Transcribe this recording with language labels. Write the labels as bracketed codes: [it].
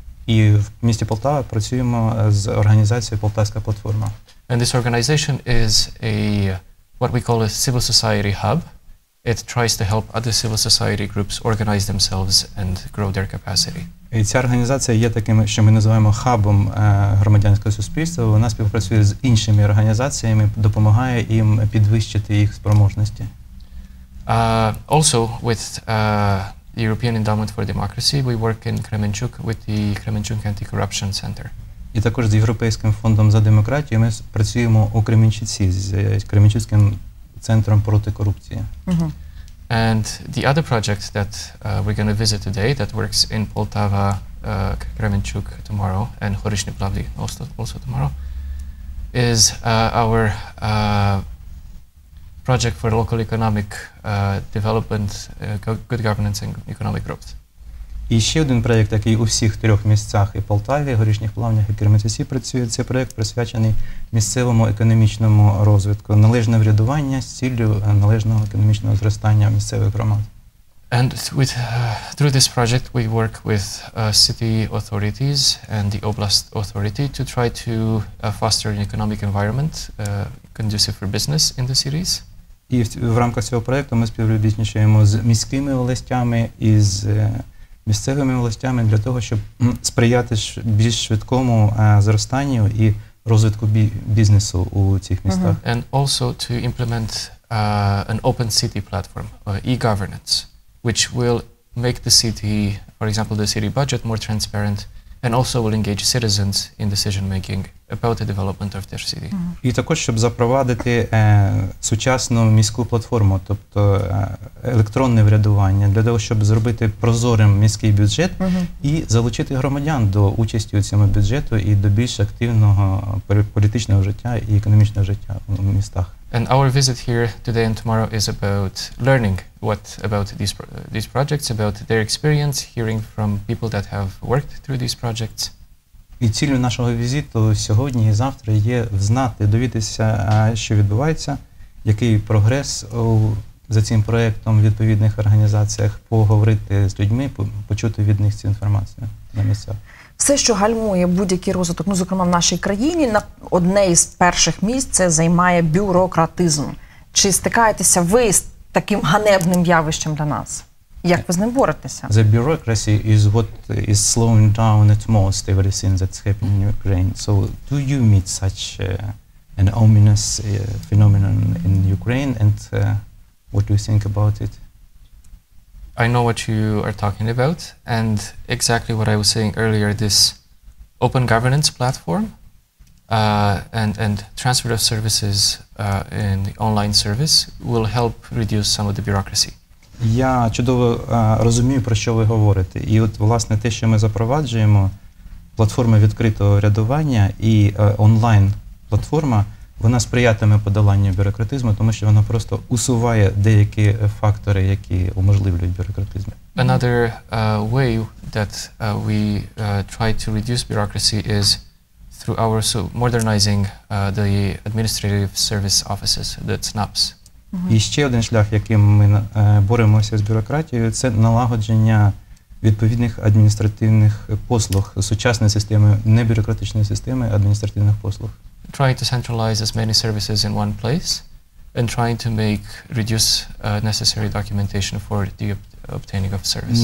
[uk] І в місті Полтава працюємо з організацією Полтавська платформа. [en] And this organization is a what we call a civil society hub. It tries to help other civil society groups organize themselves and grow their capacity. [uk] І ця організація є таким, що ми називаємо хабом громадянського суспільства. Вона співпрацює з іншими організаціями, допомагає їм підвищити їх спроможності. [en] Also with European Endowment for Democracy, we work in Кременчук with the Кременчук Anti-Corruption Center. [uk] І також з Європейським фондом за демократію ми працюємо у Кременчуці з Кременчуцьким центром проти корупції. [en] And the other project that we're going to visit today that works in Poltava, Кременчук tomorrow and Горішні Плавні also tomorrow is our project for local economic development, good governance and economic growth. [uk] І ще один проєкт, який у всіх трьох місцях – і Полтаві, і Горішніх Плавнях, і Кременчуці працює. Це проєкт, присвячений місцевому економічному розвитку, належне врядування з ціллю належного економічного зростання місцевих громад. [en] And with, through this project we work with city authorities and the oblast authority to try to foster an economic environment conducive for business in the cities. [uk] І в рамках цього проєкту ми співробітничаємо з міськими властями і з місцевими властями для того, щоб сприяти більш швидкому зростанню і розвитку бізнесу у цих містах. [en] And also to implement an open city platform, e-governance, which will make the city, for example, the city budget more transparent and also will engage citizens in decision making about the development of their city. [uk] І також, щоб запровадити сучасну міську платформу, тобто електронне врядування, для того, щоб зробити прозорим міський бюджет і залучити громадян до участі у цьому бюджету і до більш активного політичного життя і економічного життя в містах. [en] And our visit here today and tomorrow is about learning what about these projects, about their experience, hearing from people that have worked through these projects. [uk] І ціллю нашого візиту сьогодні і завтра є взнати, довідатися, що відбувається, який прогрес за цим проєктом в відповідних організаціях, поговорити з людьми, почути від них цю інформацію на місцях. Все, що гальмує будь-який розвиток, ну, зокрема, в нашій країні, на одне із перших місць це займає бюрократизм. Чи стикаєтеся ви з таким ганебним явищем для нас? Як ви з ним боретеся? [en] The bureaucracy is what is slowing down at most everything that's happening in Ukraine. So, do you meet such an ominous phenomenon in Ukraine and what do you think about it? I know what you are talking about, and exactly what I was saying earlier, this open governance platform and transfer of services in the online service will help reduce some of the bureaucracy. [uk] Я чудово розумію, про що ви говорите. І от, власне, те, що ми запроваджуємо, платформа відкритого рядування і онлайн-платформа, вона сприятиме подоланню бюрократизму, тому що вона просто усуває деякі фактори, які уможливлюють бюрократизм. [en] Another way that we try to reduce bureaucracy is through our modernizing the administrative service offices, the ЦНАПС. [uk] І ще один шлях, яким ми боремося з бюрократією, це налагодження відповідних адміністративних послуг, сучасної системи, небюрократичної системи адміністративних послуг. [en] Trying to centralize as many services in one place and trying to make reduce necessary documentation for the obtaining of service.